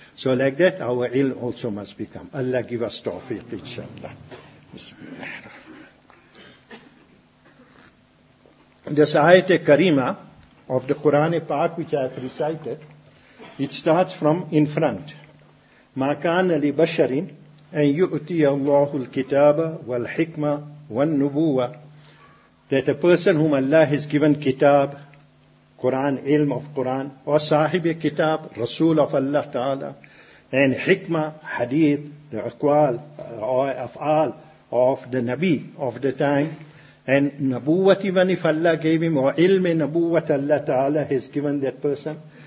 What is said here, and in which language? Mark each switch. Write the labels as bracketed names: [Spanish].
[English] So like that, our ilm also must become. Allah give us tawfiq, inshallah. Bismillah. This ayat-e karima of the Qur'an-e Pak, which I have recited, it starts from in front. [Arabic] مَا كَانَ لِبَشَرٍ أَن يُؤْتِيَ اللَّهُ الْكِتَابَ وَالْحِكْمَةَ وَالنُّبُوَّةَ, [English] that a person whom Allah has given kitab, Quran, ilm of Quran, or sahibi kitab, rasul of Allah Ta'ala, and hikmah, hadith, the aqwal, or af'al of the Nabi of the time, and nabuwat even if Allah gave him, or ilme nabuwat Allah Ta'ala has given that person.